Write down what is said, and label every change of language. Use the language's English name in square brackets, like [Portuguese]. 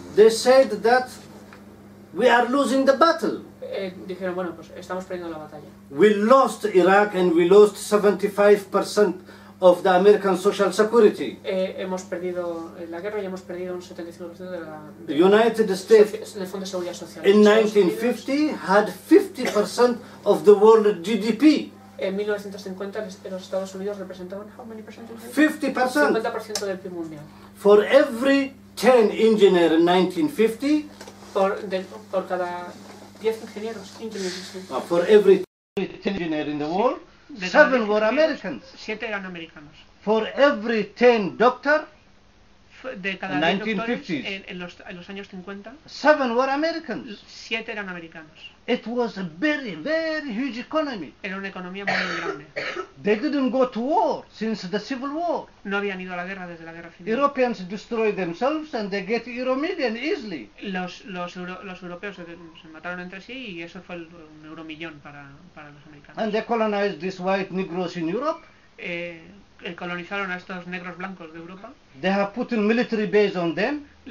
[English] They said that we are losing the battle. [Spanish] Dijeron, bueno, pues estamos perdiendo la batalla. [English] We lost Iraq and we lost 75% of the American Social Security. [Spanish] Hemos perdido la guerra y hemos perdido un 75% de la. [English] The United States [Spanish] del Fondo de Seguridad Social. [English] In 1950 had 50% of the world GDP. [Spanish] En 1950 los Estados Unidos representaban [English] how many percent? 50%. [Spanish] 50% del PIB mundial. [English] For every 10 engineers in 1950. [Spanish] Por cada 10 ingenieros, [English] for every 10 engineers in the world, 7 were Americans. [Spanish] 7 eran americanos. [English] For every 10 doctors, [Spanish] de cada 10 doctores en los años 50, [English] 7 were Americans. [Spanish] 7 eran americanos. [English] It was a very, very huge economy. [Spanish] Era una economía muy grande. [English] They didn't go to war since the Civil War. [Spanish] No habían ido a la guerra desde la guerra civil. [English] Europeans destroyed themselves and they get Euromillion easily. [Spanish] Los europeos se mataron entre sí y eso fue un euromillón para los americanos. [English] And they colonized these white negroes in Europe. [Spanish] Colonizaron a estos negros blancos de Europa. [English] They have put in military base on them.